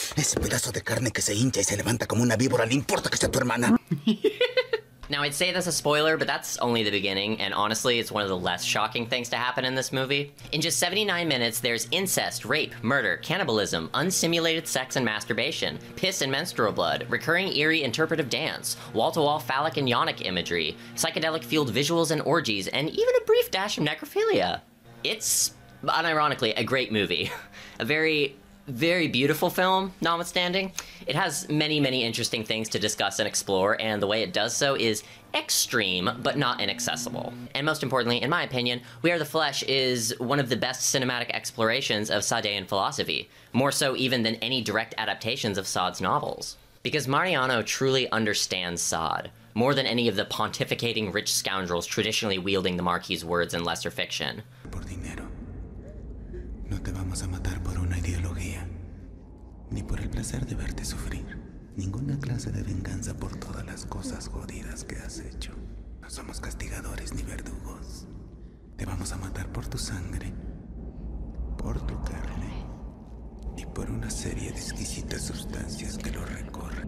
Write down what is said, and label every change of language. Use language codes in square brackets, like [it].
[es] Ese pedazo de carne que se hincha y se levanta como una víbora, le importa que sea tu hermana. [en] Now, I'd say that's a spoiler, but that's only the beginning, and honestly, it's one of the less shocking things to happen in this movie. In just 79 minutes, there's incest, rape, murder, cannibalism, unsimulated sex and masturbation, piss and menstrual blood, recurring eerie interpretive dance, wall-to-wall phallic and yonic imagery, psychedelic-fueled visuals and orgies, and even a brief dash of necrophilia. It's, unironically, a great movie. A very, very beautiful film, notwithstanding. It has many, many interesting things to discuss and explore, and the way it does so is extreme, but not inaccessible. And most importantly, in my opinion, We Are the Flesh is one of the best cinematic explorations of Sadean philosophy, more so even than any direct adaptations of Sade's novels. Because Mariano truly understands Sade, more than any of the pontificating rich scoundrels traditionally wielding the Marquis' words in lesser fiction. [es] Por dinero. No te vamos a matar por una ideología. Ni por el placer de verte sufrir. Ninguna clase de venganza por todas las cosas jodidas que has hecho. No somos castigadores ni verdugos. Te vamos a matar por tu sangre, por tu carne, y por una serie de exquisitas sustancias que lo recorren.